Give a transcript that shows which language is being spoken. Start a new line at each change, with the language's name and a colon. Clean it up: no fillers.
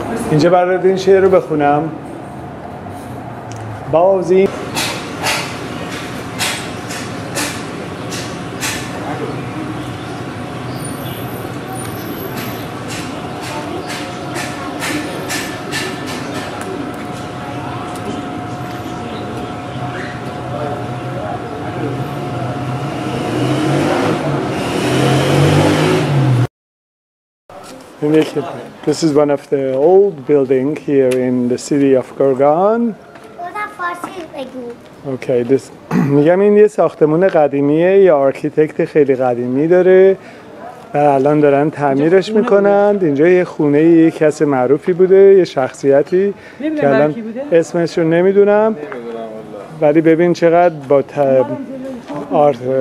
Persian: اینجا برات این شعر رو بخونم.
English: بازی This is one of the old buildings here in the city of Gorgan.
Persian: فارسی بگی. اوکی دست میگم این یه ساختمون قدیمیه، یه آرکیتکت خیلی قدیمی داره و الان دارن تعمیرش میکنن. اینجا یه خونه یه کس معروفی بوده، یه شخصیتی که الان بوده؟ اسمش رو نمیدونم ولی ببین چقدر با آرت